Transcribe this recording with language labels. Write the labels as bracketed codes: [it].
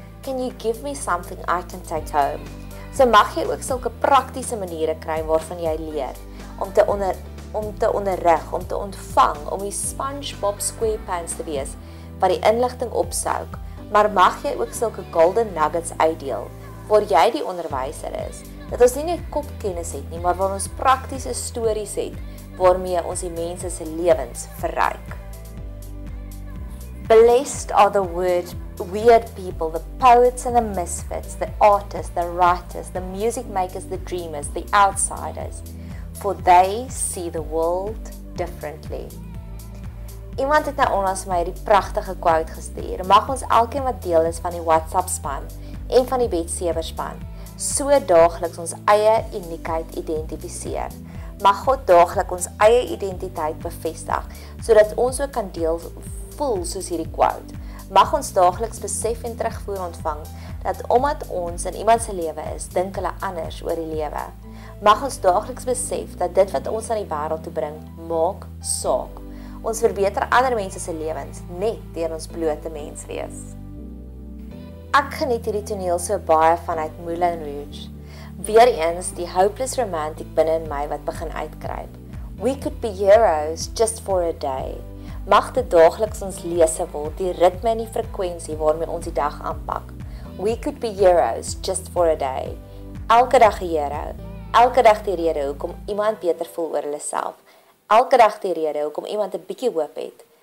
[en] Can you give me something I can take home? [af] So mag jy ook sulke praktiese maniere kry waarvan jy leer, om te onderrig, om te ontvang, om die SpongeBob SquarePants te wees, wat die inligting opsuik, maar mag jy ook sulke [en] golden nuggets [af] uitdeel, waar jy die onderwyser is, dat ons nie net kopkennis het nie, maar waar ons praktiese stories het, waarmee ons die mense se lewens verryk. [en] Blessed are the weird people, the poets and the misfits, the artists, the writers, the music makers, the dreamers, the outsiders, for they see the world differently. [af] Iemand het nou onlangs my hierdie pragtige quote gestuur. Mag ons elkeen wat deel is van die WhatsApp span en van die Bet-Seber span, so daagliks ons eie uniekheid identifiseer. Mag God daagliks ons eie identiteit bevestig, sodat ons ook kan deel voel soos hierdie quote. Mag ons daagliks besef en terugvoer ontvang, dat omdat ons in iemand se lewe is, dink hulle anders oor die lewe. Mag ons daagliks besef, dat dit wat ons aan die wêreld toe bring, maak saak. Ons verbeter ander mense se lewens, net deur ons blote mens wees. Ek geniet hierdie toneel so baie vanuit Moulin Rouge. Weer eens die hopeless romantiek binne in my wat begin uitkruip. [en] We could be heroes just for a day. [af] Mag dit daagliks ons lese word, die ritme en die frekwensie waarmee ons die dag aanpak. [en] We could be heroes just for a day. [af] Elke dag 'n hero. Elke dag die rede hoekom iemand beter voel oor hulle self. Elke dag die rede hoekom iemand 'n bietjie hoop het.